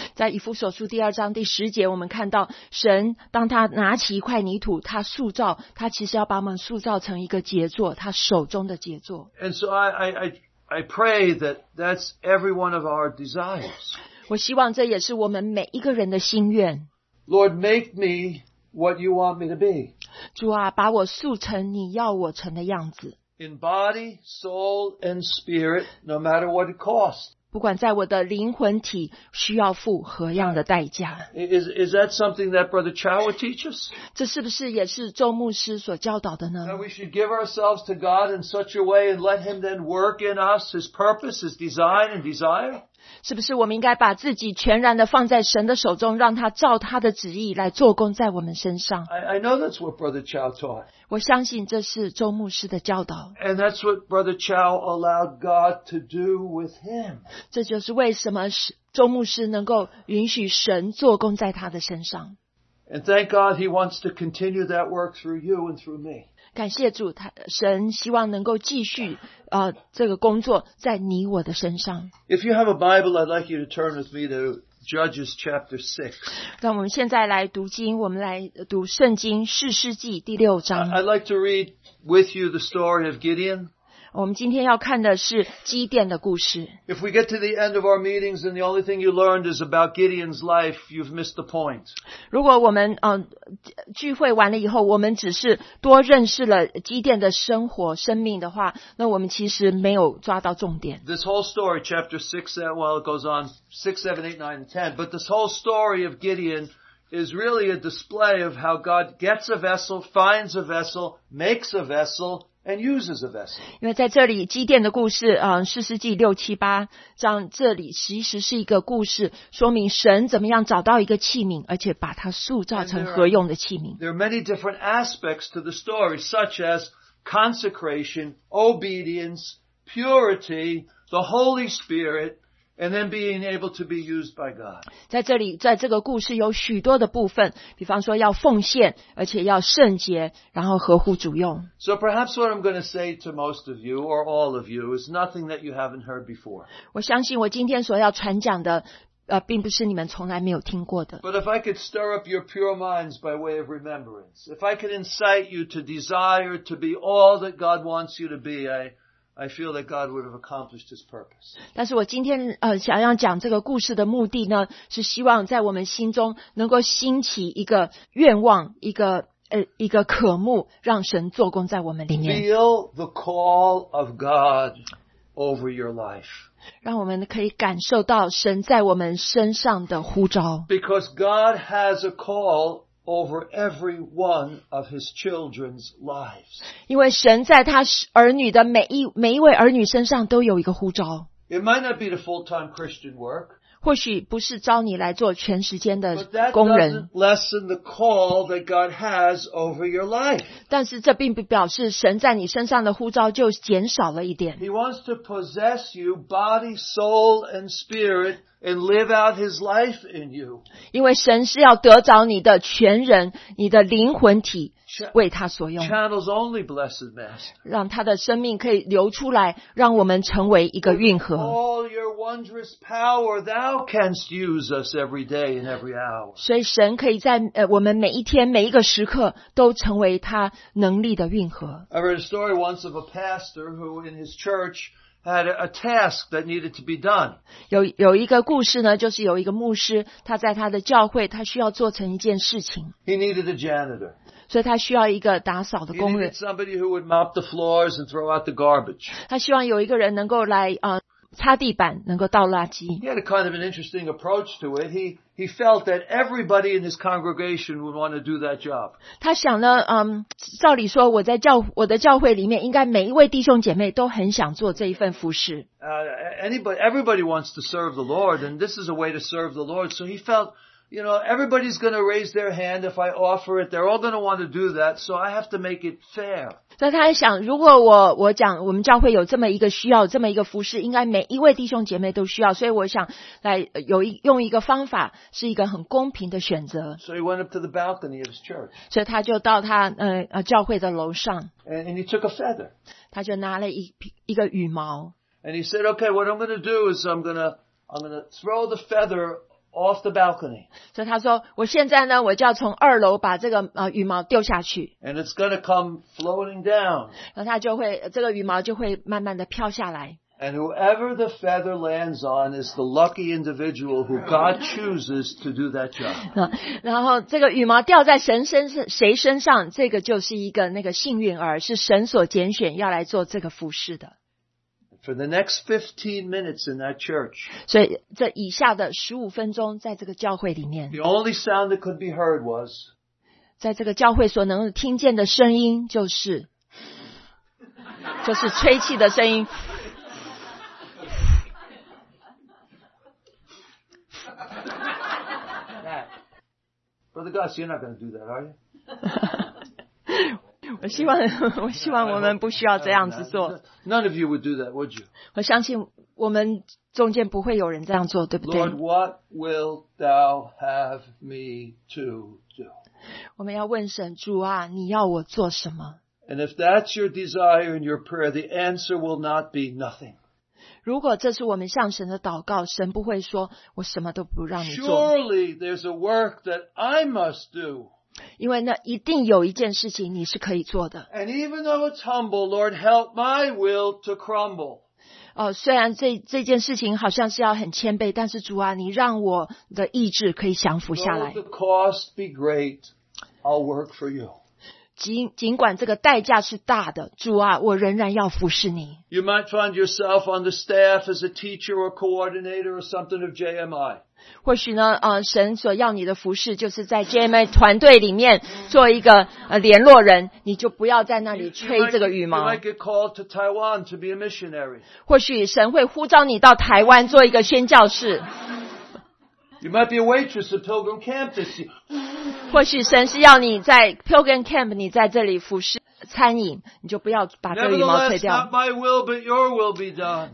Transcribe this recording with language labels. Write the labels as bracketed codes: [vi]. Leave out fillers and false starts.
[zh] 在以弗所书第二章第十节我们看到神当他拿起一块泥土他塑造他其实要把我们塑造成一个杰作他手中的杰作。 [en] And so I pray that that's every one of our desires. [zh] 我希望这也是我们每一个人的心愿。 [en] Lord, make me what you want me to be. [zh] 主啊，把我塑成你要我成的样子。 [en] In body, soul, and spirit, no matter what it costs. [zh] 不管在我的灵魂体需要付何样的代价。 [en] Is that something that Brother Chow would teach us? [zh] 这是不是也是周牧师所教导的呢？ [en] That we should give ourselves to God in such a way and let Him then work in us His purpose, His design and desire? [zh] 是不是我们应该把自己全然的放在神的手中让他照他的旨意来做工在我们身上 [en] I know that's what Brother Chow taught. [zh] 我相信这是周牧师的教导 [en] And that's what Brother Chow allowed God to do with him. [zh] 这就是为什么周牧师能够允许神做工在他的身上 [en] And thank God he wants to continue that work through you and through me. [zh] 感谢主神希望能够继续这个工作在你我的身上。 [en] If you have a Bible, I'd like you to turn with me to Judges chapter 6. [zh] 让我们现在来读经，我们来读圣经士师记第六章。 [en] I'd like to read with you the story of Gideon. [zh] 我们今天要看的是基甸的故事。 [en] If we get to the end of our meetings and the only thing you learned is about Gideon's life, you've missed the point. [zh] 如果我们聚会完了以后我们只是多认识了基甸的生活生命的话那我们其实没有抓到重点 [en] This whole story chapter 6 well it goes on 6, 7, 8, 9, and 10 but this whole story of Gideon is really a display of how God gets a vessel finds a vessel makes a vessel and uses a vessel [zh] 因为在这里基甸的故事士师记六七八章这里其实是一个故事说明神怎么样找到一个器皿而且把它塑造成合用的器皿 [en] there are many different aspects to the story such as consecration obedience purity the Holy Spirit and then being able to be used by God [zh] 在这里在这个故事有许多的部分比方说要奉献而且要圣洁然后合乎主用 [en] So perhaps what I'm going to say to most of you or all of you is nothing that you haven't heard before [zh] 我相信我今天所要传讲的并不是你们从来没有听过的 [en] But if I could stir up your pure minds by way of remembrance if I could incite you to desire to be all that God wants you to be I feel that God would have accomplished his purpose. [zh] 但是我今天想要讲这个故事的目的呢是希望在我们心中能够兴起一个愿望一个渴慕让神做工在我们里面。 [en] Feel the call of God over your life. [zh] 让我们可以感受到神在我们身上的呼召。 [en] Because God has a call over every one of his children's lives. [zh] 因为神在他儿女的每一位儿女身上都有一个呼召。 [en] It might not be the full-time Christian work. [zh] 或许不是招你来做全时间的工人。 [en] But that doesn't lessen the call that God has over your life. [zh] 但是这并不表示神在你身上的呼召就减少了一点。 [en] He wants to possess you body, soul, and spirit. And live out his life in you. [zh] 因为神是要得着你的全人，你的灵魂体为他所用。 [en] Channels only blessed master. [zh] 让他的生命可以流出来，让我们成为一个运河。 [en] All your wondrous power, thou canst use us every day and every hour. [zh] 所以神可以在我们每一天每一个时刻都成为他能力的运河。 [en] I read a story once of a pastor who in his church. Had a task that needed to be done. [zh] 有一个故事呢，就是有一个牧师，他在他的教会，他需要做成一件事情。 [en] He needed a janitor. [zh] 所以他需要一个打扫的工人。 [en] He needed somebody who would mop the floors and throw out the garbage. [zh] 他希望有一个人能够来擦地板能够倒垃圾。 [en] He had a kind of an interesting approach to it. He felt that everybody in his congregation would want to do that job. [zh] 他想呢，照理说我在教我的教会里面，应该每一位弟兄姐妹都很想做这一份服事。 [en] Everybody wants to serve the Lord, and this is a way to serve the Lord. So he felt, you know, everybody's going to raise their hand if I offer it. They're all going to want to do that, so I have to make it fair. [zh] 所以他在想，如果我讲我们教会有这么一个需要，这么一个服事，应该每一位弟兄姐妹都需要，所以我想来有一用一个方法，是一个很公平的选择。 [en] So he went up to the balcony of his church. [zh] 所以他就到他教会的楼上。 [en] And he took a feather. [zh] 他就拿了一个羽毛。 [en] And he said, "Okay, what I'm going to do is I'm going to throw the feather off the balcony." [zh] 所以他说，我现在呢，我就要从二楼把这个羽毛丢下去。 [en] And it's going to come floating down. [zh] 然后他就会这个羽毛就会慢慢的飘下来。 [en] And whoever the feather lands on is the lucky individual who God chooses to do that job. [zh] 然后这个羽毛掉在谁身上，这个就是一个那个幸运儿，是神所拣选要来做这个服事的。 [en] For the next 15 minutes in that church. [zh] 所以这以下的15分钟在这个教会里面。 [en] The only sound that could be heard was. [zh] 在这个教会所能听见的声音就是。就是吹气的声音。 [en] Brother Gus, you're not going to do that, are you? [zh] 我希望我们不需要这样子做。 [en] None of you would do that, would you? [zh] 我相信我们中间不会有人这样做，对不对 [en] ？Lord, what will thou have me to do? [zh] 我们要问神，主啊，你要我做什么 [en] ？And if that's your desire and your prayer, the answer will not be nothing. [zh] 如果这是我们向神的祷告，神不会说我什么都不让你做。 [en] Surely there's a work that I must do. [zh] 因为那一定有一件事情你是可以做的。 [en] And even though it's humble, Lord, help my will to crumble. [zh] 虽然这件事情好像是要很谦卑，但是主啊，你让我的意志可以降服下来。 [en] Though the cost be great, I'll work for you. [zh] 尽管这个代价是大的，主啊，我仍然要服侍你。 [en] You might find yourself on the staff as a teacher or coordinator or something of JMI. [zh] 或许呢，神所要你的服事就是在 JMA 团队里面做一个联络人，你就不要在那里吹这个羽毛。 [en] You might get called to Taiwan to be a missionary. [zh] 或许神会呼召你到台湾做一个宣教士。 [en] You might be a waitress at Pilgrim Camp this year. [zh] 或许神是要你在 Pilgrim Camp， 你在这里服事餐饮，你就不要把这个羽毛吹掉。 [en] Not my will, but your will be done.